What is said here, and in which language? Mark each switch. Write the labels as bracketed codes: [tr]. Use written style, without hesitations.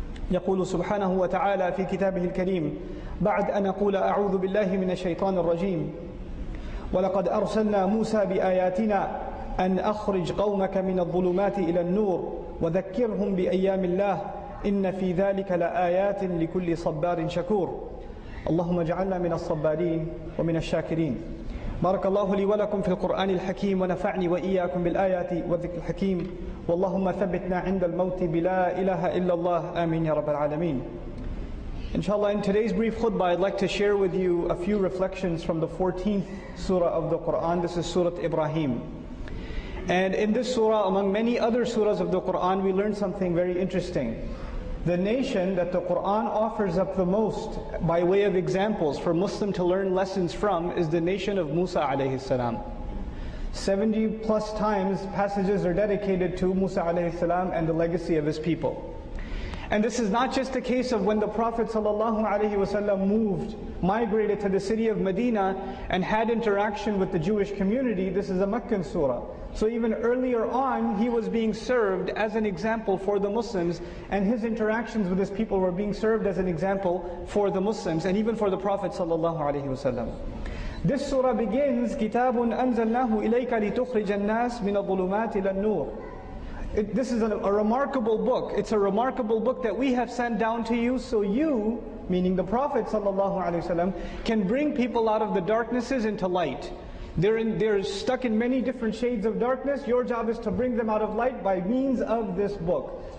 [ar] يقول سبحانه وتعالى في كتابه الكريم بعد أن أقول أعوذ بالله من الشيطان الرجيم: ولقد أرسلنا موسى بآياتنا أن أخرج قومك من الظلمات إلى النور وذكرهم بأيام الله إن في ذلك لآيات لكل صبار شكور. اللهم اجعلنا من الصبارين ومن الشاكرين. بارك الله لي ولكم في القرآن الحكيم، ونفعني وإياكم بالآيات والذكر الحكيم، واللهم ثبتنا عند الموت بلا إله إلا الله، آمين يا رب العالمين. [en] Inshallah, in today's brief khutbah, I'd like to share with you a few reflections from the 14th surah of the Qur'an. This is Surah Ibrahim. And in this surah, among many other surahs of the Qur'an, we learn something very interesting. The nation that the Qur'an offers up the most by way of examples for Muslim to learn lessons from is the nation of Musa alayhi salam. 70 plus times passages are dedicated to Musa alayhi salam and the legacy of his people. And this is not just a case of when the Prophet ﷺ moved, migrated to the city of Medina and had interaction with the Jewish community. This is a Meccan surah. So even earlier on, he was being served as an example for the Muslims, and his interactions with his people were being served as an example for the Muslims and even for the Prophet ﷺ. This surah begins, [ar] كِتَابٌ أَنْزَلْنَاهُ إِلَيْكَ لِتُخْرِجَ النَّاسِ مِنَ الظُّلُمَاتِ إِلَى النُّورِ. [en] This is a remarkable book. It's a remarkable book that we have sent down to you so you, meaning the Prophet ﷺ, can bring people out of the darknesses into light. They're stuck in many different shades of darkness. Your job is to bring them out of light by means of this book.